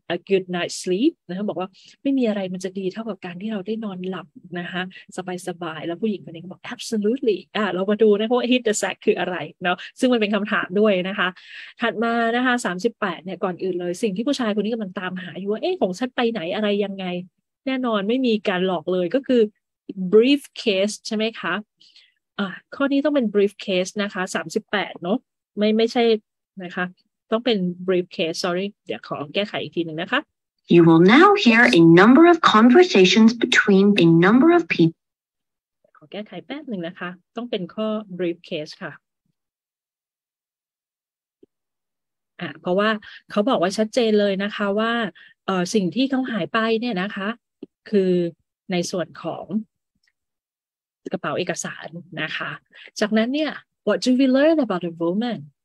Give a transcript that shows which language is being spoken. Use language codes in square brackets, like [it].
[en] good night's sleep [th] นะบอกว่าไม่มีอะไรมันจะดีเท่ากับการที่เราได้นอนหลับนะคะสบายๆแล้วผู้หญิงคนนี้ก็บอก absolutely เรามาดูนะเพราะ hit the sack คืออะไรเนาะซึ่งมันเป็นคำถามด้วยนะคะถัดมานะคะ38เนี่ยก่อนอื่นเลยสิ่งที่ผู้ชายคนนี้กำลังตามหาอยู่ว่าเอ๊ะของฉันไปไหนอะไรยังไง แน่นอนไม่มีการหลอกเลยก็คือ briefcase ใช่ไหมคะข้อนี้ต้องเป็น briefcase นะคะ38เนาะไม่ใช่นะคะต้องเป็น briefcase sorry เดี๋ยวขอแก้ไขอีกทีนึงนะคะ [en] You will now hear a number of conversations between a number of people [th] ขอแก้ไขแป๊บนึงนะคะต้องเป็นข้อ briefcase ค่ะเพราะว่าเขาบอกไว้ชัดเจนเลยนะคะว่าสิ่งที่เขาหายไปเนี่ยนะคะคือในส่วนของกระเป๋าเอกสารนะคะจากนั้นเนี่ย [en] What do we learn about the woman?